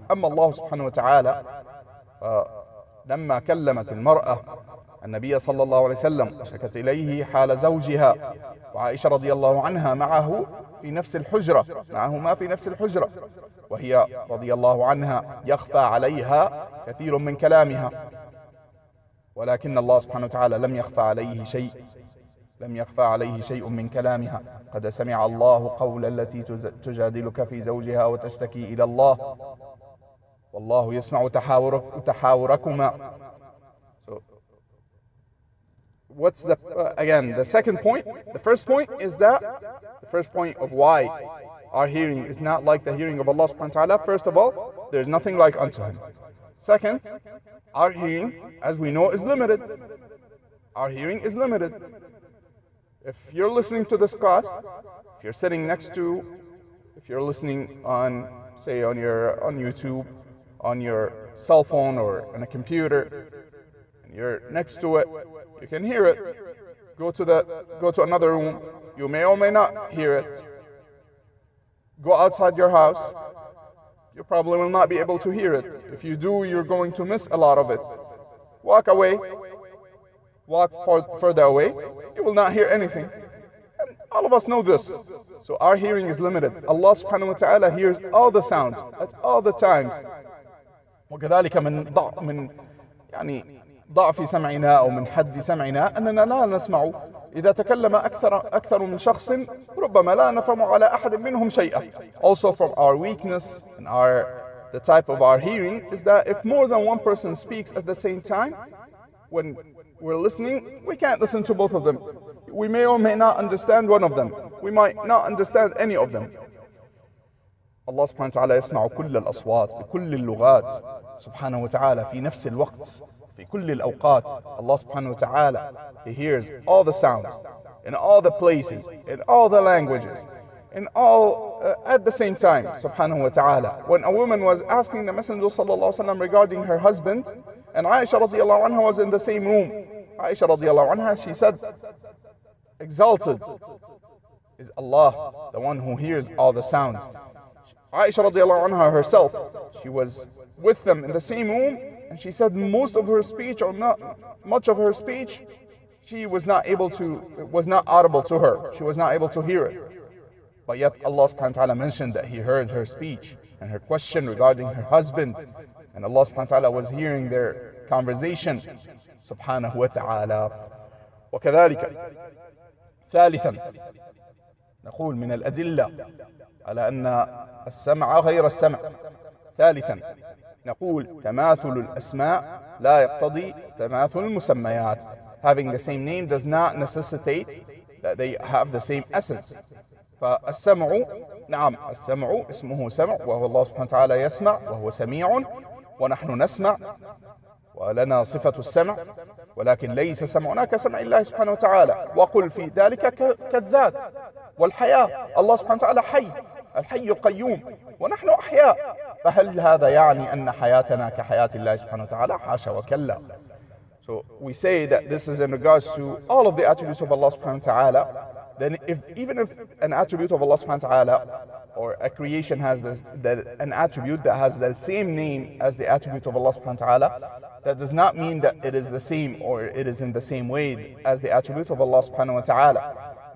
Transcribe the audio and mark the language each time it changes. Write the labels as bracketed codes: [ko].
[ar] أما الله سبحانه وتعالى لما كلمت المرأة النبي صلى الله عليه وسلم شكت إليه حال زوجها وعائشة رضي الله عنها معهما في نفس الحجرة، وهي رضي الله عنها يخفى عليها كثير من كلامها، ولكن الله سبحانه وتعالى لم يخفى عليه شيء من كلامها. قد سمع الله قول التي تجادلك في زوجها وتشتكي إلى الله، والله يسمع تحاوركما. [en] What's the again the second point? The first point is that the first point of why our hearing is not like the hearing of Allah subhanahu wa ta'ala. First of all, there is nothing like unto him. Second, our hearing, as we know, is limited. Our hearing is limited. If you're listening to this class, if you're sitting next to, if you're listening on, say, on YouTube, on your cell phone or on a computer, and you're next to it, you can hear it. Go to another room, you may or may not hear it. Go outside your house, you probably will not be able to hear it. If you do, you're going to miss a lot of it. Walk away, walk further away, you will not hear anything. And all of us know this. So our hearing is limited. Allah subhanahu wa ta'ala hears all the sounds at all the times. [ar] وكذلك من يعني ضعف سمعنا أو من حد سمعنا أننا لا نسمع. إذا تكلم أكثر من شخص ربما لا نفهم على أحد منهم شيئا. [en] Also from our weakness and our the type of our hearing is that if more than one person speaks at the same time when we're listening, we can't listen to both of them. We may or may not understand one of them. We might not understand any of them. [ar] الله سبحانه وتعالى يسمع كل الأصوات بكل اللغات سبحانه وتعالى في نفس الوقت في كل الأوقات. [en] الله سبحانه وتعالى He hears all the sounds in all the places in all the languages in all at the same time سبحانه وتعالى. When a woman was asking the Messenger صلى الله عليه وسلم regarding her husband, and Aisha رضي الله عنها was in the same room, عائشة رضي الله عنها, she said, exalted is Allah, the one who hears all the sounds. عائشة رضي الله عنها herself, she was with them in the same room, and she said most of her speech, or not much of her speech, she was not able to, it was not audible to her. She was not able to hear it. But yet Allah subhanahu wa ta'ala mentioned that he heard her speech and her question regarding her husband. And Allah subhanahu wa ta'ala was hearing their conversation. [ar] Subhanahu wa ta'ala. وكذلك ثالثا نقول من الأدلة على أن السمع غير السمع. ثالثا نقول تماثل الأسماء لا يقتضي تماثل المسميات. [en] Having the same name does not necessitate that they have the same essence. [ar] فالسمع نعم السمع اسمه سمع وهو الله سبحانه وتعالى يسمع وهو سميع ونحن نسمع ولنا صفة السمع ولكن ليس سمعنا كسمع الله سبحانه وتعالى وقل في ذلك كالذات والحياة الله سبحانه وتعالى حي الحي القيوم ونحن أحياء فهل هذا يعني أن حياتنا كحياة الله سبحانه وتعالى حاشا وكلا. [en] So we say that this is in regards to all of the attributes of Allah subhanahu wa ta'ala. Then if, even if an attribute of Allah subhanahu wa ta'ala or a creation has this, that an attribute that has the same name as the attribute of Allah subhanahu wa ta'ala, that does not mean that it is the same or it is in the same way as the attribute of Allah subhanahu wa ta'ala.